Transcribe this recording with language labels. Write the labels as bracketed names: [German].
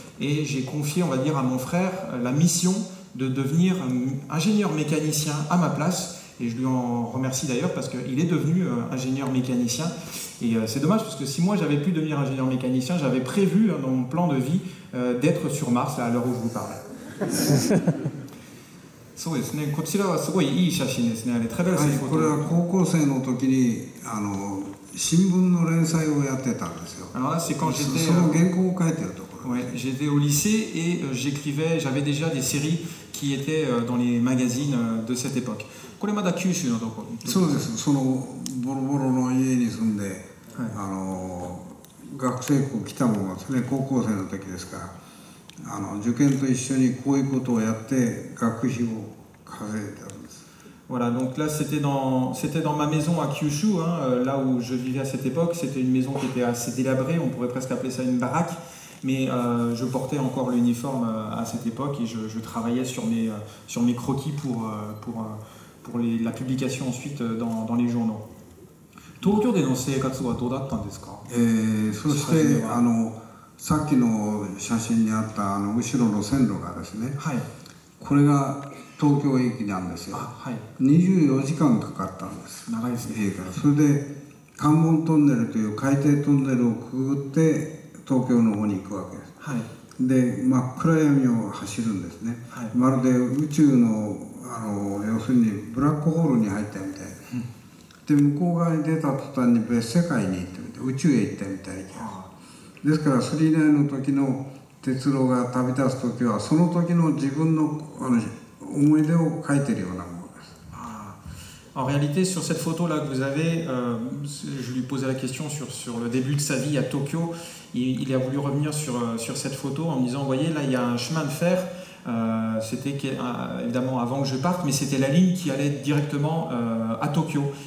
[French] Et j'ai confié, on va dire, à mon frère la mission de devenir ingénieur mécanicien à ma place. Et je lui en remercie d'ailleurs parce qu'il est devenu ingénieur mécanicien. Et c'est dommage parce que si moi j'avais pu devenir ingénieur mécanicien, j'avais prévu dans mon plan de vie d'être sur Mars à l'heure où je vous parle. [Japanese] そうですね。こちらはすごいいい写真ですね。あれ、 [French] très belle photo. [Japanese] これは高校生の時に新聞の連載をやってたんですよ。 [French] Alors là, c'est quand j'étais. [Japanese] その原稿を書いてるところ。 [French] Ouais, j'étais au lycée et j'écrivais. J'avais déjà des séries qui étaient dans les magazines de cette époque. [Japanese] これまだ九州のどこ？そうです。そのボロボロの家に住んで、はい、学生校来たもんですね。高校生の時ですから、受験と一緒にこういうことをやって学費を稼いだんです。 [French] Voilà, donc là c'était dans ma maison à Kyushu, hein, là où je vivais à cette époque. C'était une maison qui était assez délabrée, on pourrait presque appeler ça une baraque. Mais je portais encore l'uniforme à cette époque et je travaillais sur mes croquis pour pour les, la publication ensuite dans, dans les journaux. [Japanese] 東京での生活はどうだったんですか？そしてあのさっきの写真にあったあの後ろの線路がですね、はい、これが東京駅なんですよ。はい、 24時間かかったんです。長いですね。それで関門トンネルという海底トンネルをくぐって東京の方に行くわけです。はい、で真っ暗闇を走るんですね。はい、まるで宇宙 の, あの要するにブラックホールに入ったみたいな。で向こう側に出た途端に別世界に行ってみて宇宙へ行ったみたいな。ですから39の時の鉄郎が旅立つ時はその時の自分 の, あの思い出を書いてるようなものです。 [French] ああ、en réalité sur cette photo là que vous avez je lui posais la question sur, sur le début de sa vie à Tokyo, il a voulu revenir sur, sur cette photo en me disant voyez là il y a un chemin de fer. C'était évidemment avant que je parte, mais c'était la ligne qui allait directement à Tokyo.